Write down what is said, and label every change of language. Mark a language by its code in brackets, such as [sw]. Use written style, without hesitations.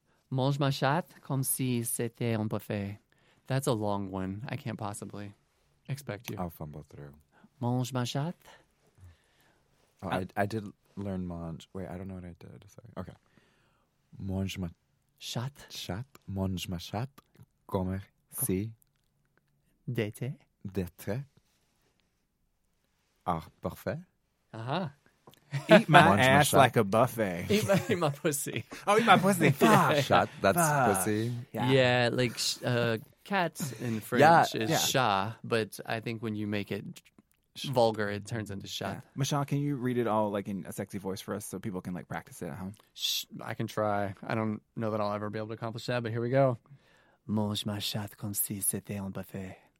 [fr] Mange ma chatte comme si c'était un buffet. [en] That's a long one. I can't possibly expect you. I'll fumble through. [fr] Mange ma chatte. [en] Oh, I did learn mange. Wait, I don't know what I did. Sorry. Okay. [fr] Mange ma... Chat. Chat. Mange ma chat. Comme si... D'été. D'été. Ah, parfait. Uh-huh. [en] Eat my mange ass ma like a buffet. Eat my pussy. Oh, eat my pussy. Fuck. Chat, that's fuck. Pussy. Yeah, like cat in French chat, but I think when you make it... vulgar, it turns into chat. Yeah. Michelle, can you read it all like in a sexy voice for us so people can like practice it at home? I can try. I don't know that I'll ever be able to accomplish that, but here we go. [fr] Mange ma chatte comme si c'était un buffet.